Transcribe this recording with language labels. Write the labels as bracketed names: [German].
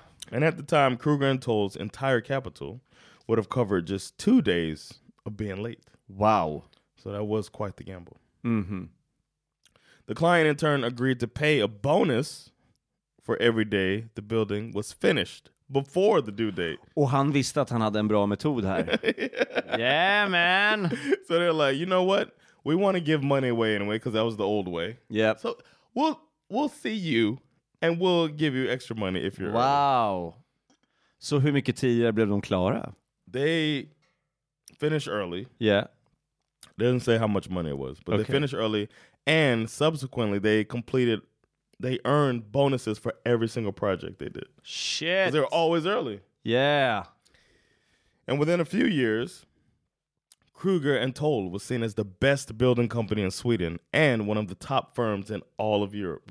[English] And at the time, Kreuger and Toll's entire capital would have covered just 2 days of being late. Wow. So that was quite the gamble. Mm-hmm. The client, in turn, agreed to pay a bonus for every day the building was finished before the due date. [Swedish] Och han visste att han hade en bra metod här. [English] Yeah, man. So they're like, you know what? We want to give money away anyway because that was the old way. Yeah. So we'll see you and we'll give you extra money if you're wow. [Swedish] Så hur mycket tidigare blev de klara? [English] They finished early. Yeah. They didn't say how much money it was, but okay. They finished early and subsequently they completed. They earned bonuses for every single project they did. Shit. Because they were always early. Yeah. And within a few years, Kreuger and Toll was seen as the best building company in Sweden and one of the top firms in all of Europe.